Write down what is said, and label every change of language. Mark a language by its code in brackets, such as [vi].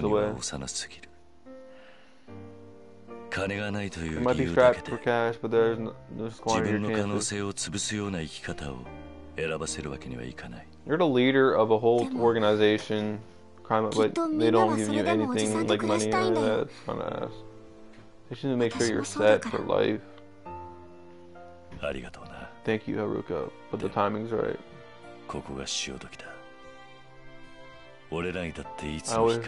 [ja] 犠牲を払うには幼すぎる。金がないという理由だけで、 [en] They might be strapped for cash, but there's no squandering your chances. [ja] 自分の可能性を潰すような生き方を選ばせるわけにはいかない。 [en] You're the leader of a whole organization. But they don't give you anything like money or that. It's kind of ass. They should make sure you're set for life. Thank you, Haruka. But the timing's right. I always